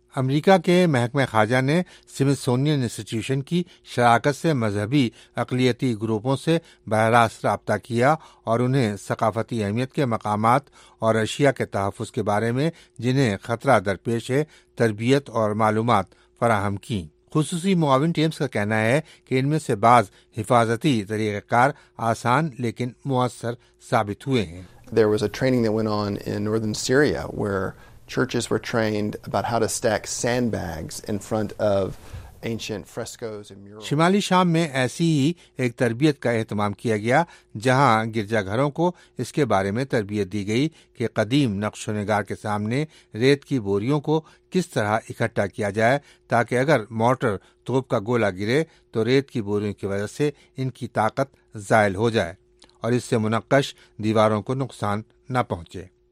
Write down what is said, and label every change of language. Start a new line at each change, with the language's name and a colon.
Urdu: امریکہ کے محکمہ خارجہ نے سمیتھسونین انسٹیٹیوشن کی شراکت سے مذہبی اقلیتی گروپوں سے براہ راست رابطہ کیا اور انہیں ثقافتی اہمیت کے مقامات اور اشیاء کے تحفظ کے بارے میں جنہیں خطرہ درپیش ہے تربیت اور معلومات فراہم کی. خصوصی معاون ٹیمز کا کہنا ہے کہ ان میں سے بعض حفاظتی طریقہ کار آسان لیکن مؤثر ثابت ہوئے ہیں.
English: There was a training that went on in northern Syria where churches were trained about how to stack sandbags in front of ancient frescoes and murals.
Urdu: شمالی شام میں ایسی ہی ایک تربیت کا اہتمام کیا گیا جہاں گرجا گھروں کو اس کے بارے میں تربیت دی گئی کہ قدیم نقش و نگار کے سامنے ریت کی بوریوں کو کس طرح اکٹھا کیا جائے تاکہ اگر مارٹر توپ کا گولا گرے تو ریت کی بوریوں کی وجہ سے ان کی طاقت زائل ہو جائے اور اس سے منقش دیواروں کو نقصان نہ پہنچے.